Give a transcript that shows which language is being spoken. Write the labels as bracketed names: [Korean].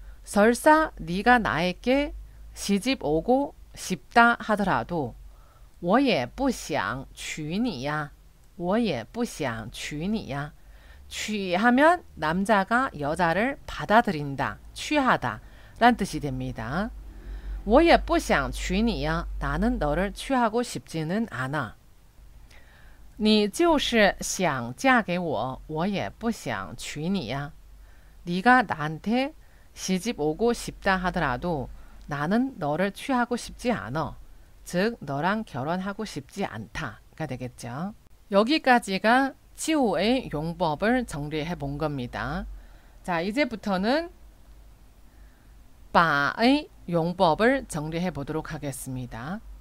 [Korean] 설사 네가 나에게 시집 오고 싶다 하더라도 [Chinese] 我也不想娶你呀.我也不想娶你呀. [Korean] 취하면 남자가 여자를 받아들인다. 취하다. 라는 뜻이 됩니다. [Chinese] 我也不想娶你呀. [Korean] 나는 너를 취하고 싶지는 않아. [Chinese] 你就是想嫁给我,我也不想娶你呀. [Korean] 네가 나한테 시집 오고 싶다 하더라도 나는 너를 취하고 싶지 않아. 즉 너랑 결혼하고 싶지 않다가 되겠죠. 여기까지가 치우의 용법을 정리해 본 겁니다. 자, 이제부터는 바의 용법을 정리해 보도록 하겠습니다.